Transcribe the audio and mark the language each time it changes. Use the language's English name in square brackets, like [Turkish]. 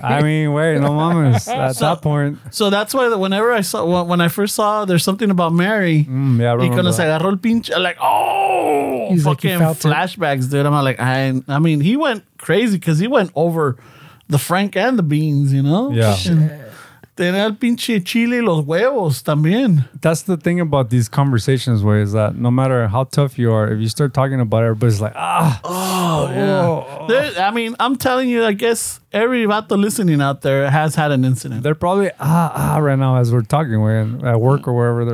[English] I mean, wait, [Spanish] no mamas [English] at that point. So that's why when I first saw There's Something About Mary, flashbacks, dude. I'm like, I mean, he went crazy because he went over the Frank and the beans, you know? Yeah. [Spanish] Tener el pinche chile y los huevos también. [English] That's the thing about these conversations, where is that no matter how tough you are, if you start talking about it, everybody's like, I mean, I'm telling you, I guess every vato listening out there has had an incident. They're probably right now as we're talking, we're at work or wherever they're.